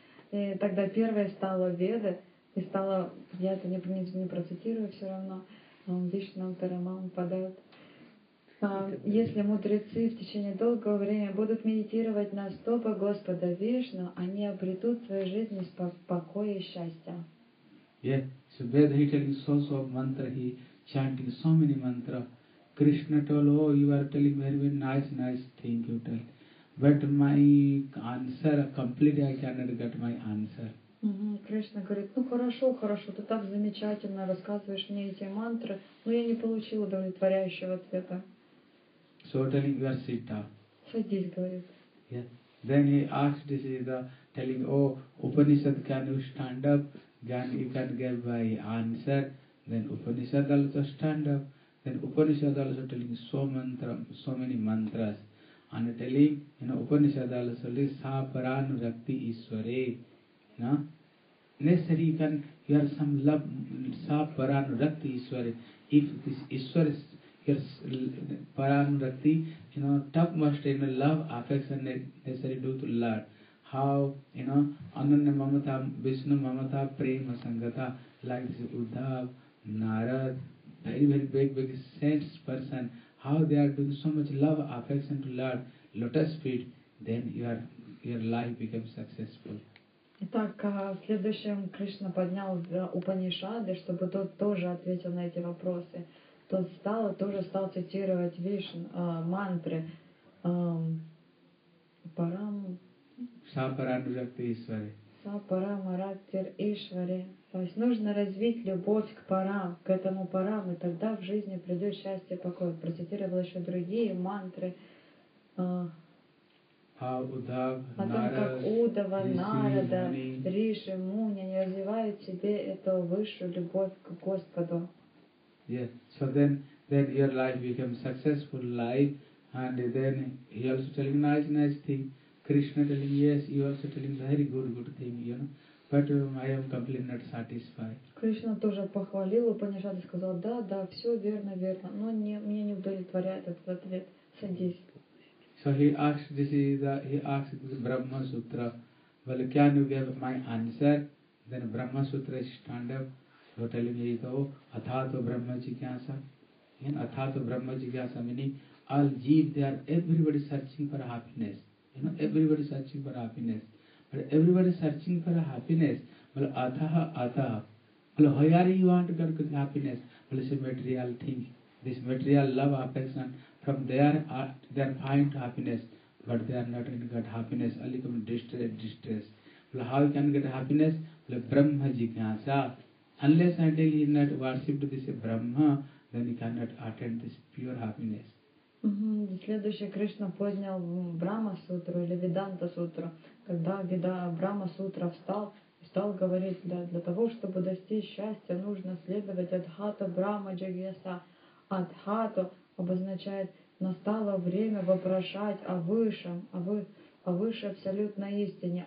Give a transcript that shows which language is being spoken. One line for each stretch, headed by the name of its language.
Russian: И тогда первое стало Веды, и стало, я это не процитирую все равно, Вишна Парамам падает. Если мудрецы в течение долгого времени будут медитировать на стопы Господа Вишну, они обретут в своей жизни покой и счастье.
English: Yeah, so Veda he telling so so mantra, he chanting so many mantra. Krishna told, oh, you are telling very very nice nice thing you tell. But my answer completely I cannot get my answer.
Russian: Кришна говорит, ну хорошо, хорошо, ты так замечательно рассказываешь мне эти мантры, но я не получил удовлетворяющего ответа.
English: So telling you are Sita.
Russian: Садись, говорит.
English: Yeah. Then he asked this is the telling, oh, Upanishad, can you stand up? Then you can give my answer. Then Upanishad also stand up. Then Upanishad also telling so mantra, so many mantras. And telling, you know, Upanishad also is Saparan Rakti Iswari. No? Necessary you can you have some love Saparan Rakti Iswari. If this Iswar is your Paranurakti, you know, topmost in love, affection necessary due to Lord. How, you know, Ananya Mamata, Vishnu Mamata, Prema Sangata, like this Uddhav, Narad, very, very big, big saints person, how they are doing so much love, affection to Lord, lotus feet, then your life becomes successful.
Russian: Итак, в следующем Кришна поднял Упанишады, чтобы тот тоже ответил на эти вопросы. Тот стал, тоже стал цитировать Вишну, мантры. Парам... Сапарамаратир Ишвари. Сапарамаратир Ишвари. То есть нужно развить любовь к парам, к этому парам, и тогда в жизни придет счастье и покой. Процитировал еще другие мантры. О том, как Удава, Нарада, Риши, Муни, они развивают в себе эту высшую любовь к Господу.
English: Yes, so then your life becomes successful life, and then he also telling nice thing. Krishna telling yes, you also telling very good thing, you know. But I am completely not satisfied.
Russian: Кришна тоже похвалил Упанишады, сказал да, все верно, но мне не удовлетворяет этот ответ. Садись.
English: So he asked this Brahma Sutra. Well, can you give my answer? Then Brahma Sutra stand up. So telling me to Athato Brahma Jigyasa. In Athato Brahma Jigyasa meaning all jeev, they are everybody searching for happiness. You know, everybody searching for happiness. But everybody searching for happiness. Well, Athaha. Well, why are you want to get good happiness? Well, it's a material thing. This material love affection from there they are fine to happiness, but they are not going to get happiness. Only come distress. Well, how you can get happiness? Well, Brahma Jigyasa. Unless and until you not worship this Brahma, then you cannot attain this pure happiness.
Russian: Следующий Кришна поднял Брахма-сутру или Веданта-сутру. Когда Брахма-сутра встал, стал говорить, да, для того, чтобы достичь счастья, нужно следовать Адхату Брахма Джагьяса. Адхату обозначает, настало время вопрошать о Высшем, о Высшей Абсолютной Истине.